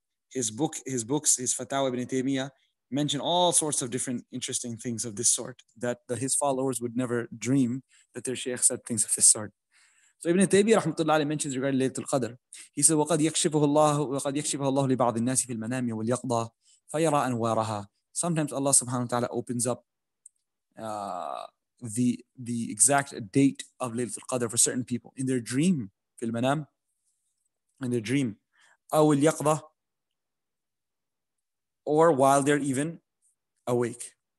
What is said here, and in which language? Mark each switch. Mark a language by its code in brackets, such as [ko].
[en] His books, his fatawa Ibn Taymiyyah, mention all sorts of different interesting things of this sort that his followers would never dream that their sheikh said things of this sort. So Ibn Taymiyyah rahmatullahi alayhi mentions regarding Laylatul Qadr. He said, [ar] وَقَدْ يَكْشِفُهُ اللَّهُ لِبَعْضِ النَّاسِ فِي الْمَنَامِ وَالْيَقْضَى فَيَرَى أَنْوَارَهَا. [en] Sometimes Allah subhanahu wa ta'ala opens up the exact date of Laylatul Qadr for certain people in their dream, [ar] في المنام, [en] in their dream. [ar] أَوْ الْيَقْضَى, [en] or while they're even awake.